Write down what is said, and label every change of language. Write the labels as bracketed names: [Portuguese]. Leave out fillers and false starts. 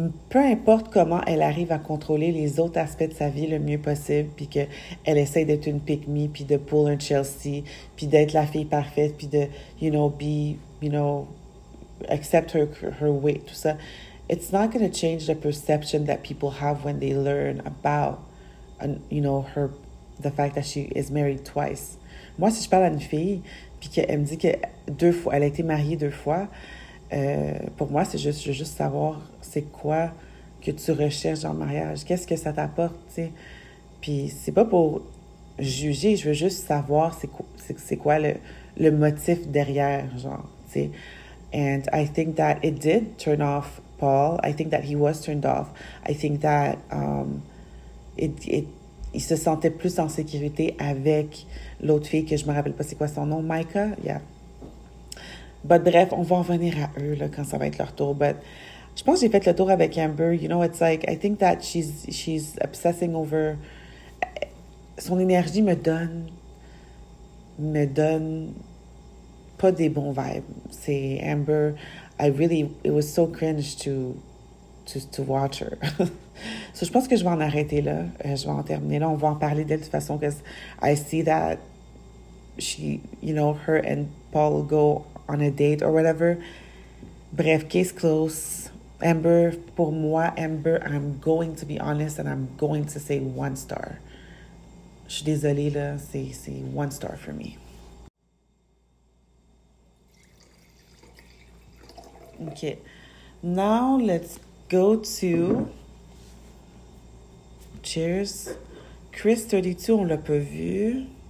[French] Peu importe comment elle arrive à contrôler les autres aspects de sa vie le mieux possible, puis qu'elle essaie d'être une pick-me, puis de pull un Chelsea, puis d'être la fille parfaite, puis de, [English] you know, be, you know, accept her way, [French] tout ça. [English] It's not going to change the perception that people have when they learn about, you know, her, the fact that she is married twice. [French] Moi, si je parle à une fille, puis qu'elle me dit que deux fois, elle a été mariée deux fois, pour moi, c'est juste, je veux juste savoir c'est quoi que tu recherches en mariage, qu'est-ce que ça t'apporte, tu sais. Puis c'est pas pour juger, je veux juste savoir c'est quoi le motif derrière, genre, tu sais. [English] And I think that it did turn off Paul. I think that he was turned off. I think that [French] il se sentait plus en sécurité avec l'autre fille que je me rappelle pas c'est quoi son nom, [English] Micah, yeah. But [French] bref, on va en venir à eux là, quand ça va être leur tour. But je pense que j'ai fait le tour avec Amber. [English] You know, it's like, I think that she's obsessing over... [French] son énergie me donne pas des bons vibes. [English] C'est Amber. I really... it was so cringe to watch her. [French] So je pense que je vais en arrêter là. Je vais en terminer là. On va en parler d'elle de toute façon. [English] Because I see that she... you know, her and Paul go... on a date or whatever. Bref, case closed. Amber, [French] pour moi, [English] Amber, I'm going to be honest and I'm going to say 1 star. [French] Je suis désolée, là, c'est 1 star [English] for me. Okay, now let's go to, cheers, Chris 32, [French] on l'a pas vu.